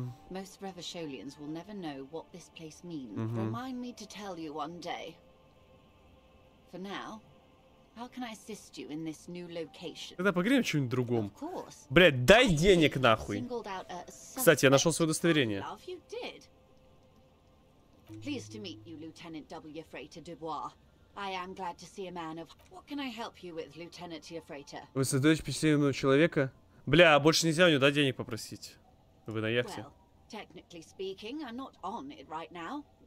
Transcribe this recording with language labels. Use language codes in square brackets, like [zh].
[en] Most Revisholians will never know what this place means. Remind me to tell you one day. For now, how can I assist you in this new location? [ru] Тогда поговорим о чем-нибудь другом. Блять, дай денег нахуй. Кстати, я нашел свое удостоверение. [en] Pleased to meet you, Lieutenant W. Freighter Dubois. I am glad to see a man of... What can I help you with, Lieutenant W. Freighter? [ru] Вы создаете впечатление человека? Бля, а больше нельзя у него, да, денег попросить? Вы на яхте? [en] Well, technically speaking, I'm not on it right now.